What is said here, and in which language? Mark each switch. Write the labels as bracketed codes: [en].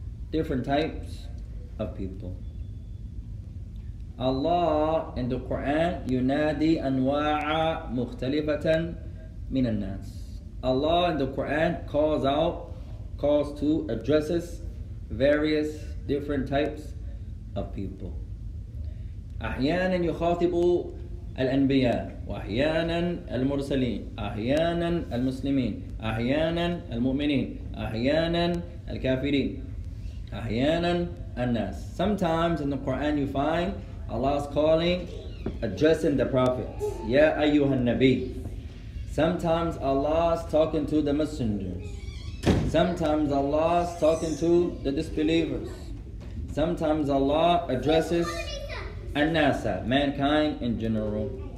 [en] Different types of people. Allah in the Quran, [ar] yunadi anwa'a mukhtalifatan min al-nas. [en] Allah in the Quran addresses various different types of people. [ar] أحياناً يخاطب الأنبياء وأحياناً المرسلين أحياناً المسلمين أحياناً المؤمنين أحياناً الكافرين أحياناً الناس. [en] Sometimes in the Quran you find Allah's calling, addressing the prophets. [ar] يا أيها النبي. [en] Sometimes Allah's talking to the messengers. Sometimes Allah's talking to the disbelievers. Sometimes Allah addresses الناس, mankind in general.